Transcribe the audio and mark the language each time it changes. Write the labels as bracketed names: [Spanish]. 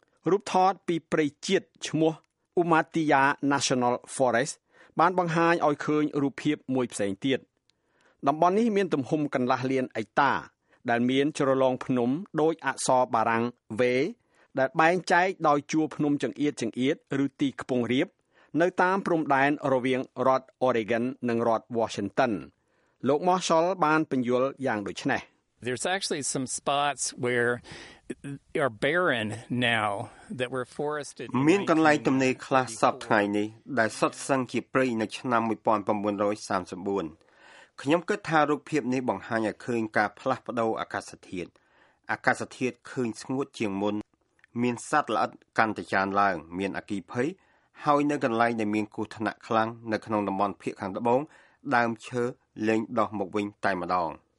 [Khmer] រូបថតពីព្រៃជាតិឈ្មោះ Umatilla National Forest បានបង្ហាញឲ្យឃើញរូបភាពមួយផ្សេងទៀតតំបន់នេះមានទំហំកន្លះលានអេកតាដែលមានជ្រលងភ្នំដោយអក្សរបារាំង V ដែលបែងចែកដោយជួរភ្នំចង្អៀតចង្អៀតឬទីខ្ពង់រាបនៅតាមព្រំដែនរវាងរដ្ឋ Oregon និងរដ្ឋ Washington លោក Marshall បានពន្យល់យ៉ាងដូចនេះ [English] There's actually some spots where are barren now that were forested [Khmer] មានកន្លែងទំនេរខ្លះសពថ្ងៃនេះដែលសុទ្ធសឹងជាព្រៃនៅឆ្នាំ1934ខ្ញុំគិតថារូបភាពនេះបង្ហាញឲ្យឃើញការផ្លាស់ប្ដូរអាកាសធាតុអាកាសធាតុឃើញស្ងួតជាងមុនមានសត្វល្អិតកាន់តែច្រើនឡើងមានអគីភ័យហើយនៅកន្លែងដែលមានគ្រោះថ្នាក់ខ្លាំងនៅក្នុងតំបន់ភាគខាងត្បូងដើមឈើលែងដុះមកវិញតែម្ដង